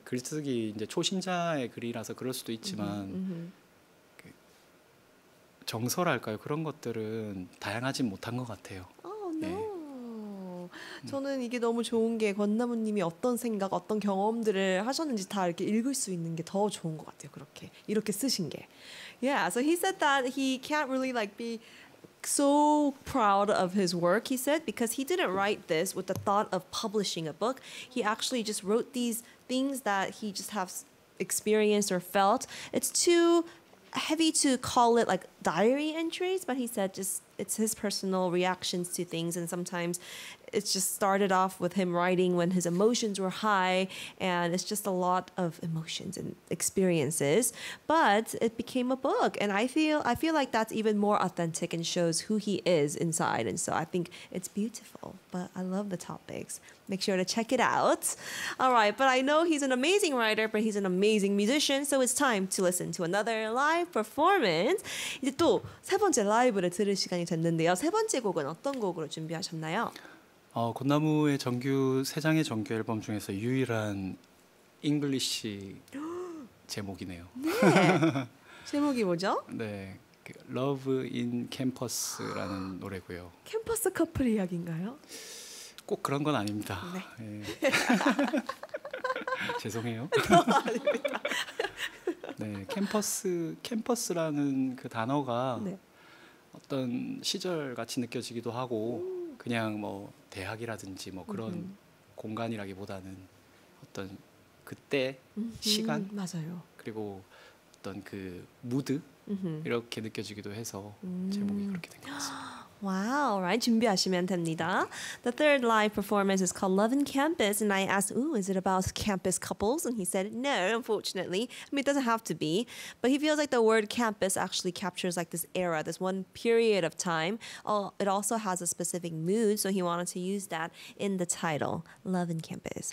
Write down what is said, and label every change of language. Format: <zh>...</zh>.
<ko>글쓰기 이제 초심자의 글이라서 그럴 수도 있지만 정서랄까요? 그런 것들은 다양하지 못한 것 같아요. 아, oh, no. 네. 저는 이게 너무 좋은 게 권나무님이 어떤 생각, 어떤 경험들을 하셨는지 다 이렇게 읽을 수 있는 게 더 좋은 것 같아요. 그렇게 이렇게 쓰신 게.</ko> <en>Yeah, so he said that he can't really like be so proud of his work, he said, because he didn't write this with the thought of publishing a book. He actually just wrote these things that he just has experienced or felt. It's too heavy to call it like diary entries, but he said just it's his personal reactions to things, and sometimes it's just started off with him writing when his emotions were high, and it's just a lot of emotions and experiences, but it became a book, and I feel like that's even more authentic and shows who he is inside, and so I think it's beautiful, but I love the topics. Make sure to check it out. All right, but I know he's an amazing writer, but he's an amazing musician, so it's time to listen to another live performance.</en> <ko>이제 또 세 번째 라이브를 들을 시간이 됐는데요. 세 번째 곡은 어떤 곡으로 준비하셨나요? 곽나무의 정규 세 장의 정규 앨범 중에서 유일한 잉글리시 제목이네요. 네. 제목이 뭐죠? 네. Love in Campus라는 노래고요. 캠퍼스 커플 이야기인가요? 꼭 그런 건 아닙니다. 네. 죄송해요. 아닙니다. 네. 캠퍼스라는 그 단어가 네. 어떤 시절 같이 느껴지기도 하고 그냥 뭐 대학이라든지 뭐 그런 공간이라기보다는 어떤 그때 시간 맞아요. 그리고 어떤 그 무드 이렇게 느껴지기도 해서 제목이 그렇게 된 것 같습니다.</ko> <en>Wow, right.</en> <ko>준비하시면 됩니다.</ko> <en>The third live performance is called Love in Campus, and I asked, "Ooh, is it about campus couples?" And he said, "No, unfortunately. I mean, it doesn't have to be, but he feels like the word campus actually captures like this era, this one period of time. It also has a specific mood, so he wanted to use that in the title, Love in Campus.</en>